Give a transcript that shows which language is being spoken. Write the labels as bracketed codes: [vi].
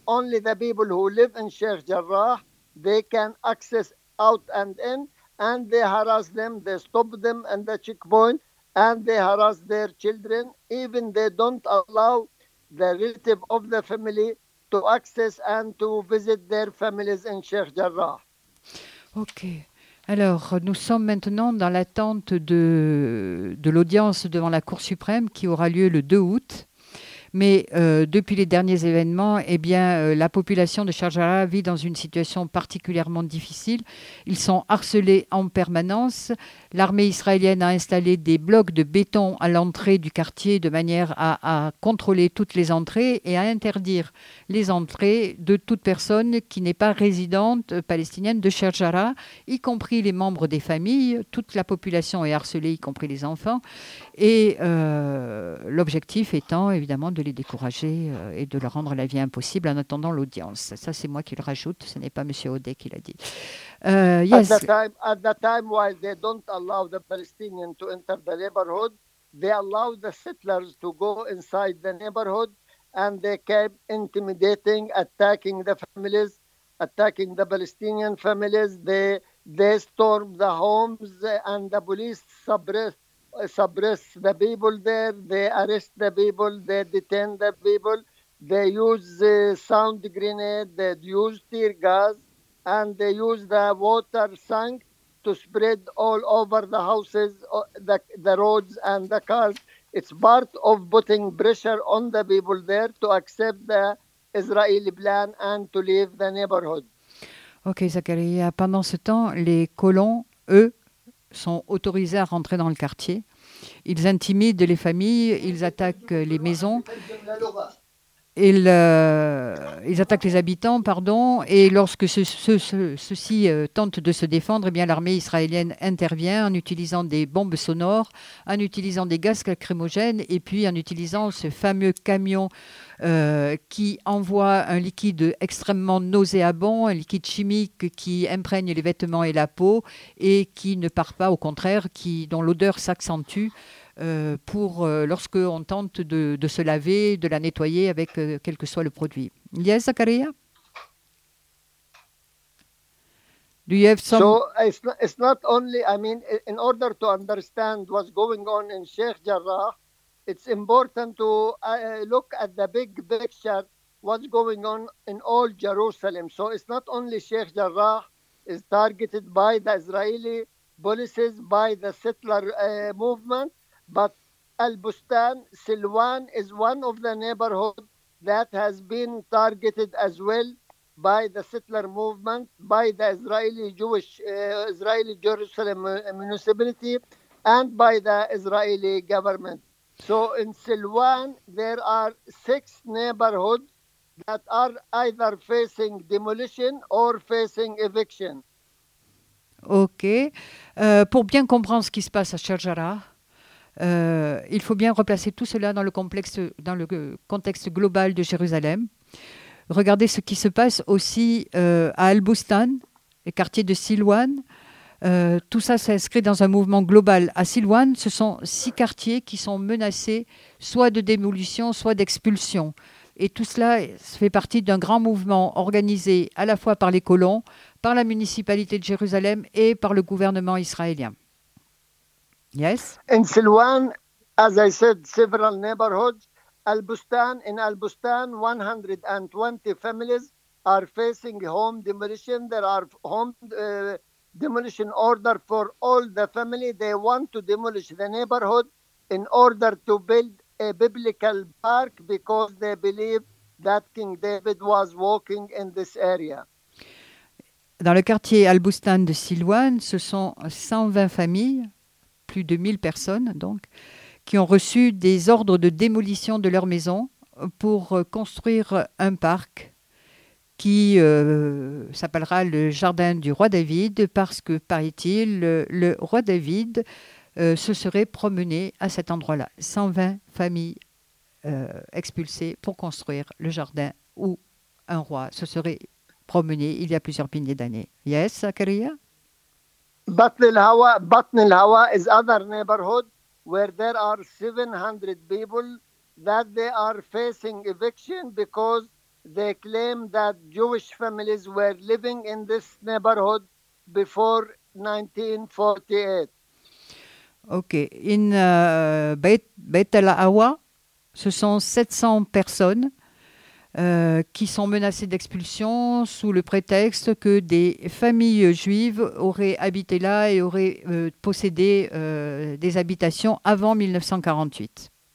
[en] Only the people who live in Sheikh Jarrah, they can access out and in. And they harass them. They stop them at the checkpoint. And they harass their children. Even they don't allow the relative of the family to access and to visit their families in Sheikh Jarrah. Okay. [fr] Alors, nous sommes maintenant dans l'attente de l'audience devant la Cour suprême qui aura lieu le 2 août. Mais depuis les derniers événements, eh bien, la population de Sheikh Jarrah vit dans une situation particulièrement difficile. Ils sont harcelés en permanence. L'armée israélienne a installé des blocs de béton à l'entrée du quartier de manière à contrôler toutes les entrées et à interdire les entrées de toute personne qui n'est pas résidente palestinienne de Sheikh Jarrah, y compris les membres des familles. Toute la population est harcelée, y compris les enfants. Et l'objectif étant, évidemment, de les décourager et de leur rendre la vie impossible en attendant l'audience. Ça, c'est moi qui le rajoute, ce n'est pas M. Odeh qui l'a dit. [en] Yes. At the time, while they don't allow the Palestinians to enter the neighborhood, they allow the settlers to go inside the neighborhood and they kept intimidating, attacking the families, attacking the Palestinian families. They stormed the homes and the police suppress the people there, they arrest the people, they detain the people, they use sound grenade, they use tear gas, and they use the water tank to spread all over the houses, the roads and the cars. It's part of putting pressure on the people there to accept the Israeli plan and to leave the neighborhood. [fr] Okay, Zakaria, pendant ce temps, les colons, eux, sont autorisés à rentrer dans le quartier. Ils intimident les familles, ils attaquent les maisons, ils attaquent les habitants, pardon. Et lorsque ceux-ci tentent de se défendre, eh bien l'armée israélienne intervient en utilisant des bombes sonores, en utilisant des gaz lacrymogènes et puis en utilisant ce fameux camion qui envoie un liquide extrêmement nauséabond, un liquide chimique qui imprègne les vêtements et la peau et qui ne part pas, au contraire, dont l'odeur s'accentue lorsque on tente de se laver, de la nettoyer avec quel que soit le produit. [en] Yes, Zakaria? Do you have some... So, it's not only, I mean, in order to understand what's going on in Sheikh Jarrah, it's important to look at the big picture, what's going on in all Jerusalem. So it's not only Sheikh Jarrah is targeted by the Israeli policies, by the settler movement, but Al-Bustan, Silwan is one of the neighborhoods that has been targeted as well by the settler movement, by the Israeli Jerusalem municipality, and by the Israeli government. So in Silwan, there are 6 neighborhoods that are either facing demolition or facing eviction. OK. [fr] Pour bien comprendre ce qui se passe à Sheikh Jarrah, il faut bien replacer tout cela dans le contexte global de Jérusalem. Regardez ce qui se passe aussi à Al-Bustan, le quartier de Silwan. Tout ça s'inscrit dans un mouvement global. À Silwan, ce sont 6 quartiers qui sont menacés soit de démolition, soit d'expulsion. Et tout cela fait partie d'un grand mouvement organisé à la fois par les colons, par la municipalité de Jérusalem et par le gouvernement israélien. [en] Yes? In Silwan, as I said, several neighborhoods. In Al-Bustan, 120 families are facing home demolition. There are home demolition order for all the family. They want to demolish the neighborhood in order to build a biblical park because they believe that King David was walking in this area. [fr] Dans le quartier Al-Bustan de Silouane, ce sont 120 familles, plus de 1000 personnes donc, qui ont reçu des ordres de démolition de leur maison pour construire un parc qui s'appellera le jardin du roi David parce que, paraît-il, le roi David se serait promené à cet endroit-là. 120 familles expulsées pour construire le jardin où un roi se serait promené il y a plusieurs milliers d'années. [en] Yes, Zakaria? Batn al-Hawa is another neighborhood where there are 700 people that they are facing eviction because they claim that Jewish families were living in this neighborhood before 1948. Okay. [fr] In Beit al-Hawa, ce sont 700 personnes qui sont menacées d'expulsion sous le prétexte que des familles juives auraient habité là et auraient possédé des habitations avant 1948.